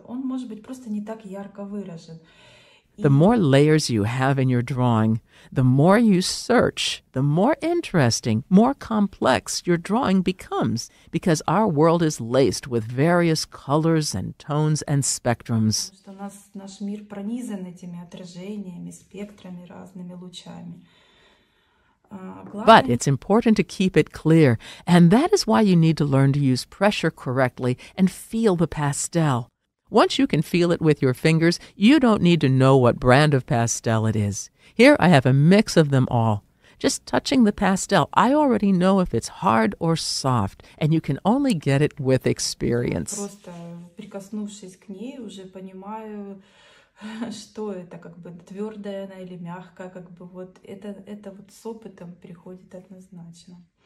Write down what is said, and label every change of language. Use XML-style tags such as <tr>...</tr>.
<ru>Он может быть просто не так ярко выражен.</ru> <en>The more layers you have in your drawing, the more you search, the more interesting, more complex your drawing becomes, because our world is laced with various colors and tones and spectrums.</en> <ru>Наш мир пронизан этими отражениями, спектрами, разными лучами.</ru> <en>But it's important to keep it clear, and that is why you need to learn to use pressure correctly and feel the pastel. Once you can feel it with your fingers, you don't need to know what brand of pastel it is. Here I have a mix of them all. Just touching the pastel, I already know if it's hard or soft, and you can only get it with experience.</en> <ru>Просто прикоснувшись к ней, уже понимаю, что это, как бы твёрдая она или мягкая, как бы вот это вот с опытом приходит однозначно.</ru>